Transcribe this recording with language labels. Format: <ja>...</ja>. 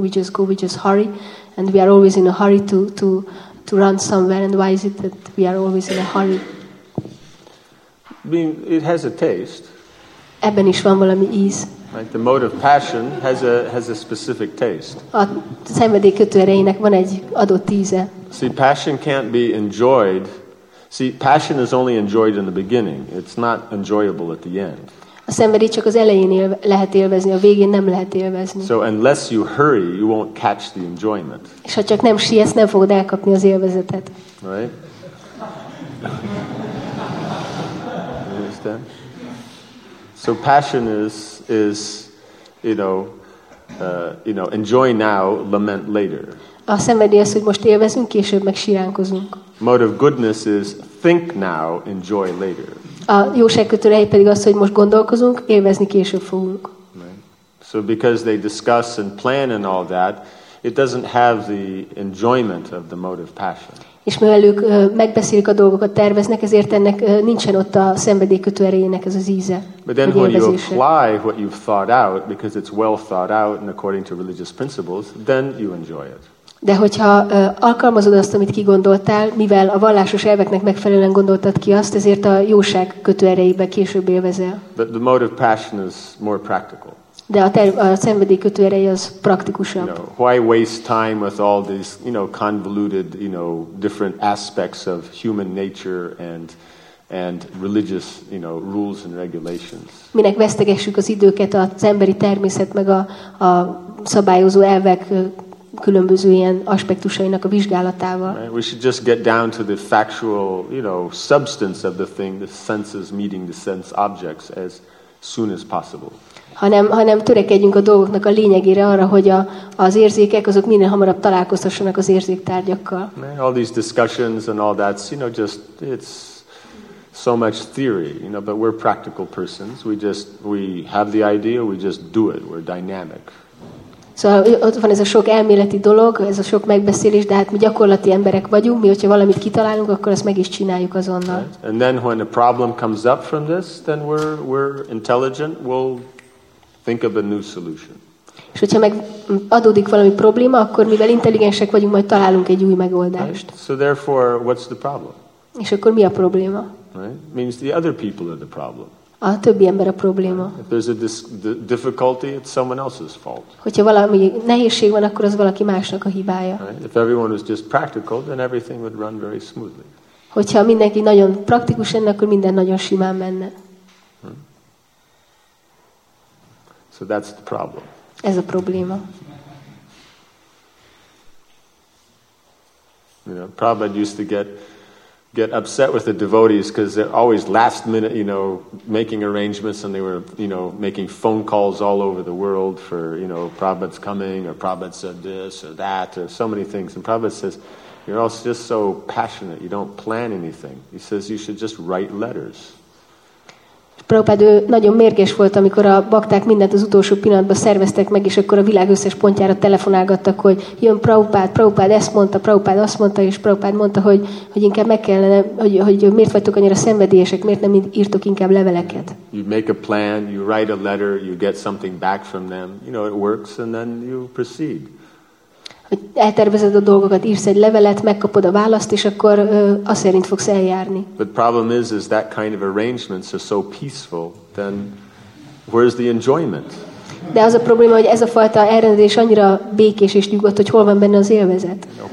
<en>We just go, we just hurry. And we are always in a hurry to run somewhere. And why is it that we are always in a hurry? Being, it has a taste.</en> <hu>Ebben is van valami íz.</hu> <en>Right, the mode of passion has a specific taste.</en> <hu>A szenvedély kötőerejének van egy adott íze.</hu> <en>See, passion can't be enjoyed. See, passion is only enjoyed in the beginning. It's not enjoyable at the end.</en> <hu>A szenvedély csak az elején lehet élvezni, a végén nem lehet élvezni.</hu> <en>So unless you hurry, you won't catch the enjoyment.</en> <hu>És ha csak nem siessz, nem fogod elkapni az élvezetet.</hu> <en>Right? You understand? So passion is you know enjoy now, lament later.</en> <hu>A szenvedély az, hogy most élvezünk, később meg siránkozunk.</hu> <en>Mode of goodness is think now, enjoy later.</en> <hu>A jóságkötőrei pedig az, hogy most gondolkozunk, élvezni később fogunk.</hu> <en>Right. So because they discuss and plan and all that, it doesn't have the enjoyment of the mode of passion.</en> <hu>És mivel ők megbeszélik a dolgokat, terveznek, ezért ennek nincsen ott a szenvedélykötő erejének ez az íze.</hu> <en>But then when you apply what you've thought out, because it's well thought out and according to religious principles, then you enjoy it.</en> <hu>De hogyha alkalmazod azt, amit kigondoltál, mivel a vallásos elveknek megfelelően gondoltad ki azt, ezért a jóság kötő erejébe később élvezel.</hu> <en>But the mode of passion is more practical.</en> <hu>De a szenvedély kötő ereje az praktikusabb.</hu> <en>You know, why waste time with all these, you know, convoluted, you know, different aspects of human nature and religious, you know, rules and regulations?</en> <hu>Minek vesztegessük az időket az emberi természet meg a szabályozó elvek különböző ilyen aspektusainak a vizsgálatával?</hu> <en>Right? We should just get down to the factual, you know, substance of the thing, the senses meeting the sense objects as soon as possible.</en> <hu>Hanem törekedjünk a dolgoknak a lényegére, arra, hogy az érzékek azok minél hamarabb találkoztassanak az érzéktárgyakkal.</hu> <en>All these discussions and all that, you know, just it's so much theory, you know, but we're practical persons. We have the idea, we just do it. We're dynamic.</en> <hu>Szóval ott van ez a sok elméleti dolog, ez a sok megbeszélés, de hát mi gyakorlati emberek vagyunk, mi hogyha valamit kitalálunk, akkor azt meg is csináljuk azonnal.</hu> <en>Right. And then when a problem comes up from this, then we're intelligent, we'll think of a new solution.</en> <hu>És hogyha meg adódik valami probléma, akkor mivel intelligensek vagyunk, majd találunk egy új megoldást.</hu> <en>Right. So therefore, what's the problem?</en> <hu>És akkor mi a probléma?</hu> <en>Right. Means the other people are the problem.</en> <hu>A többi ember a probléma.</hu> <en>If there's a difficulty, it's someone else's fault.</en> <hu>Hogyha valami nehézség van, akkor az valaki másnak a hibája.</hu> <en>Right. If everyone was just practical, then everything would run very smoothly.</en> <hu>Hogyha mindenki nagyon praktikus lenne, akkor minden nagyon simán menne.</hu> <en>So that's the problem.</en> <hu>Ez a probléma.</hu> <en>You know, Prabhupada used to get upset with the devotees because they're always last minute, you know, making arrangements, and they were, you know, making phone calls all over the world for, you know, Prabhupada's coming, or Prabhupada said this or that, or so many things. And Prabhupada says, You're also just so passionate. You don't plan anything. He says you should just write letters.</en> <hu>Prabhupada nagyon mérges volt, amikor a bakták mindent az utolsó pillanatban szerveztek meg, és akkor a világ összes pontjára telefonálgattak, hogy jön Prabhupada, Prabhupada ezt mondta, Prabhupada azt mondta, és Prabhupada mondta, hogy inkább meg kellene, hogy miért vagytok annyira szenvedélyesek, miért nem írtok inkább leveleket.</hu> <en>You make a plan, you write a letter, you get something back from them, you know, it works, and then you proceed.</en> <hu>Hogy eltervezed a dolgokat, írsz egy levelet, megkapod a választ, és akkor az szerint fogsz eljárni.</hu> <en>But problem is that kind of arrangements are so peaceful, then where's the enjoyment?</en> <hu>De az a probléma, hogy ez a fajta elrendezés annyira békés és nyugodt, hogy hol van benne az élvezet?</hu>